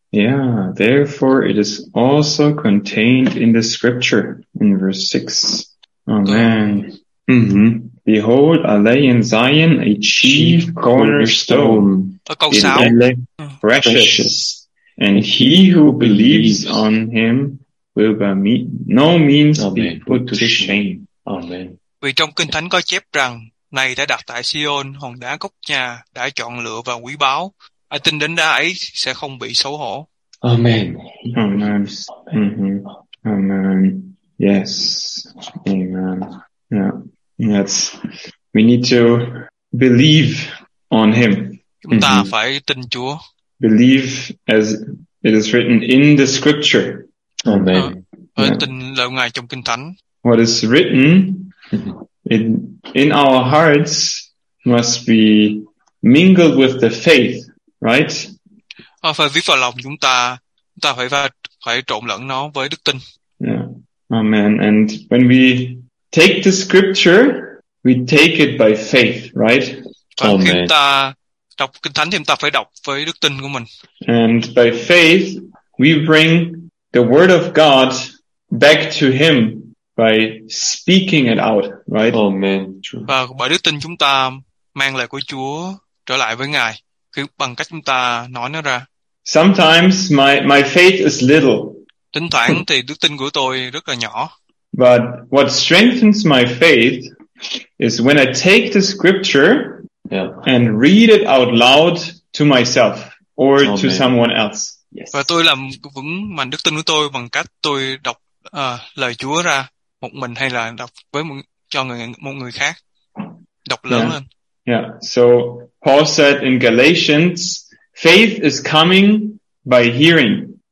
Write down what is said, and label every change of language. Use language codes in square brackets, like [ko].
[en] Yeah, therefore it is also contained in the scripture in verse 6. Amen. Mm-hmm. Behold, I lay in Zion a chief cornerstone. Precious. And he who believes on him will by no means be put to shame. Amen. [vi] Vì trong Kinh Thánh có chép rằng, này đã đặt tại Sion, hòn đá cốt nhà, đã chọn lựa và quý báu. Ai tin đến đá ấy sẽ không bị xấu hổ. [en] Amen. Amen. Mm-hmm. Amen. Yes. Amen. Yeah. That's, we need to believe on him. [vi] Chúng ta mm-hmm. phải tin Chúa. [en] Believe as it is written in the scripture. Amen. [vi] Tin lời Ngài trong Kinh Thánh. [en] What is written in our hearts must be mingled with the faith, right? [vi] Phải viết vào lòng chúng ta phải trộn lẫn nó với đức tin. [en] Yeah. Amen. And when we take the scripture, we take it by faith, right? [vi] Khi ta đọc Kinh Thánh thì ta phải đọc với đức tin của mình. [en] And by faith, we bring the word of God back to him by speaking it out, right? Amen. [vi] Và bởi đức tin chúng ta mang lời của Chúa trở lại với Ngài bằng cách chúng ta nói nó ra. [en] Sometimes my faith is little. [vi] Thỉnh thoảng thì đức tin của tôi rất là nhỏ. [en] But what strengthens my faith is when I take the scripture and read it out loud to myself or to someone else. [vi] Và tôi làm vững mạnh đức tin của tôi bằng cách tôi đọc lời Chúa ra một mình hay là đọc với một người khác đọc lớn lên. [en] Yeah. So Paul said in Galatians, faith is coming by hearing.